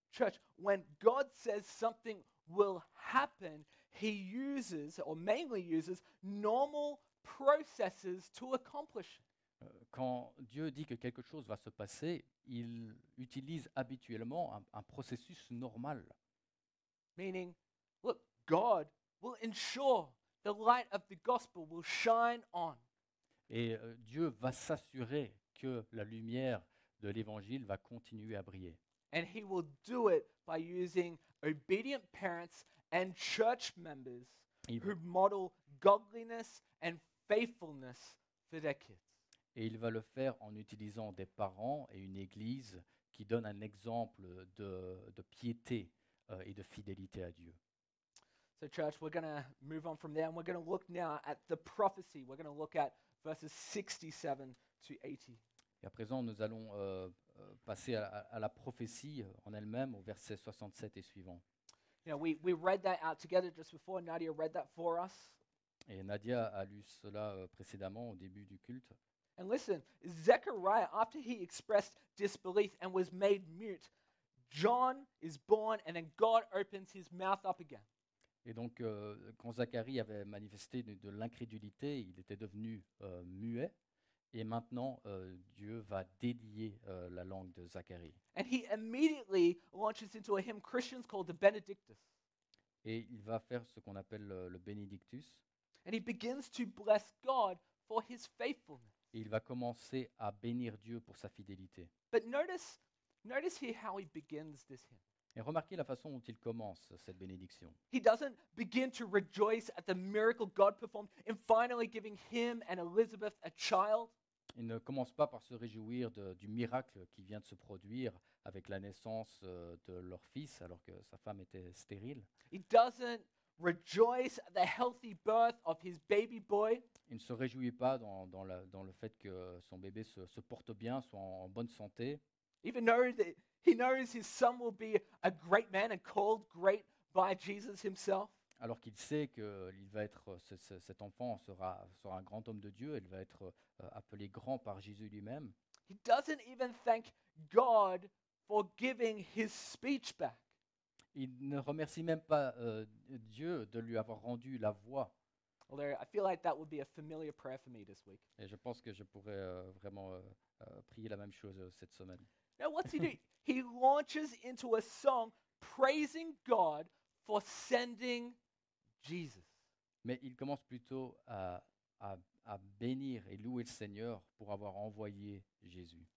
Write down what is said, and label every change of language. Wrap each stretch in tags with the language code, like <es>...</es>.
<en>Church, when God says something will happen, he uses, or mainly uses, normal processes to accomplish.</en> <fr>Quand Dieu dit que quelque chose va se passer, il utilise habituellement un processus normal.</fr> <en>Meaning, look, God will ensure the light of the gospel will shine on.</en> <fr>Et Dieu va s'assurer que la lumière de l'évangile va continuer à briller.</fr> <en>And he will do it by using obedient parents and church members who model godliness and faithfulness for their kids.</en> <fr>Et il va le faire en utilisant des parents et une église qui donnent un exemple de piété et de fidélité à Dieu.</fr> <en>So church, we're going to move on from there and we're going to look now at the prophecy. We're going to look at verses 67 to 80.</en> <fr>Et à présent, nous allons passer à la prophétie en elle-même, au verset 67 et suivant.</fr> <en>You know, we read that out together just before. Nadia read that for us.</en> <fr>Et Nadia a lu cela précédemment, au début du culte.</fr> <en>And listen, Zechariah, after he expressed disbelief and was made mute, John is born and then God opens his mouth up again.</en> <fr>Et donc, quand Zacharie avait manifesté de l'incrédulité, il était devenu muet. Et maintenant, Dieu va délier la langue de Zacharie.</fr> <en>And he immediately launches into a hymn Christians call the Benedictus.</en> <fr>Et il va faire ce qu'on appelle le Benedictus.</fr> <en>And he begins to bless God for his faithfulness.</en> <fr>Et il va commencer à bénir Dieu pour sa fidélité.</fr> <en>But notice here how he begins this hymn.</en> <fr>Et remarquez la façon dont il commence cette bénédiction.</fr> <en>He doesn't begin to rejoice at the miracle God performed in finally giving him and Elizabeth a child.</en> <fr>Il ne commence pas par se réjouir du miracle qui vient de se produire avec la naissance de leur fils alors que sa femme était stérile.</fr> <en>He doesn't rejoice at the healthy birth of his baby boy.</en> <fr>Il ne se réjouit pas dans le fait que son bébé se porte bien, soit en bonne santé.</fr> <en>Even though that he knows his son will be a great man and called great by Jesus himself.</en> <fr>Alors qu'il sait que il va être cet enfant sera un grand homme de Dieu, il va être appelé grand par Jésus lui-même.</fr> <en>He doesn't even thank God for giving his speech back.</en> <fr>Il ne remercie même pas Dieu de lui avoir rendu la voix.</fr> <en>Well, there, I feel like that would be a familiar prayer for me this week.</en> <fr>Et je pense que je pourrais vraiment prier la même chose cette semaine.</fr> <en>Now what's he do? He launches into a song praising God for sending Jesus.</en> <fr>Mais il commence plutôt à bénir et louer le Seigneur pour avoir envoyé Jésus.</fr>